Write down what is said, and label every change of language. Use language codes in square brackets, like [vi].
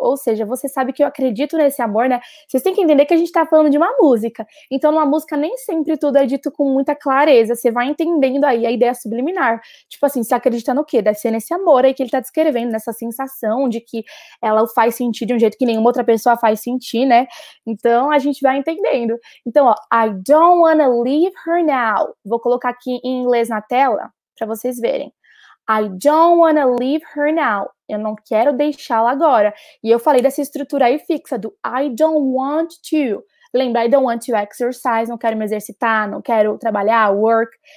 [pt] Ou seja, você sabe que eu acredito nesse amor, né? Vocês têm que entender que a gente tá falando de uma música. Então, numa música, nem sempre tudo é dito com muita clareza. Você vai entendendo aí a ideia subliminar. Tipo assim, você acredita no quê? Deve ser nesse amor aí que ele tá descrevendo, nessa sensação de que ela o faz sentir de um jeito que nenhuma outra pessoa faz sentir, né? Então, a gente vai entendendo. Então, ó, [en] I don't wanna leave her now. [pt] Vou colocar aqui em inglês na tela pra vocês verem. [en] I don't wanna leave her now. [pt] Eu não quero deixá-la agora. E eu falei dessa estrutura aí fixa do [en] I don't want to. [pt] Lembra, [en] I don't want to exercise. [pt] Não quero me exercitar, não quero trabalhar, work.